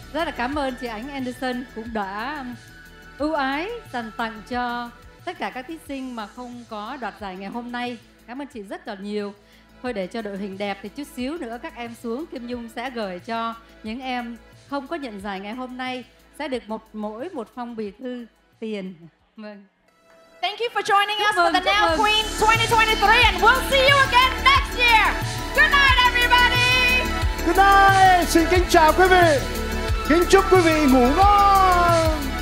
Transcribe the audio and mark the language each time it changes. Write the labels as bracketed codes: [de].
[vi] Rất là cảm ơn chị Ánh Anderson cũng đã ưu ái dành tặng cho tất cả các thí sinh mà không có đoạt giải ngày hôm nay. Cảm ơn chị rất là nhiều. Thôi để cho đội hình đẹp thì chút xíu nữa các em xuống, Kim Nhung sẽ gửi cho những em không có nhận giải ngày hôm nay sẽ được một mỗi một phong bì thư tiền. Vâng. [en] Thank you for joining us for the Nail Queen 2023 and we'll see you again next year. Good night everybody. Good night. [vi] Xin kính chào quý vị. Kính chúc quý vị ngủ ngon.